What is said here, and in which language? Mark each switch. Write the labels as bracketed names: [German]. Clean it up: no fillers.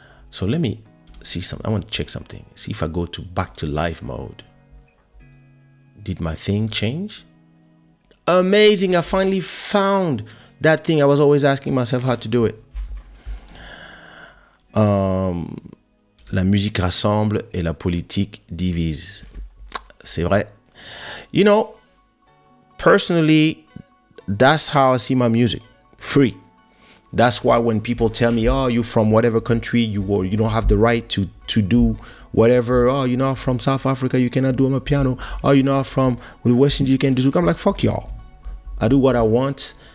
[English] So let me see something. I want to check something. See if I go to back to life mode. Did my thing change? Amazing. I finally found that thing. I was always asking myself how to do it. [French] La musique rassemble et la politique divise. C'est vrai. [English] You know, personally, that's how I see my music. Free. That's why when people tell me, oh, you're from whatever country, you don't have the right to do whatever. Oh, you're not from South Africa, you cannot do my piano. Oh, you're not from the West Indies, you can't do it. I'm like, fuck y'all. I do what I want.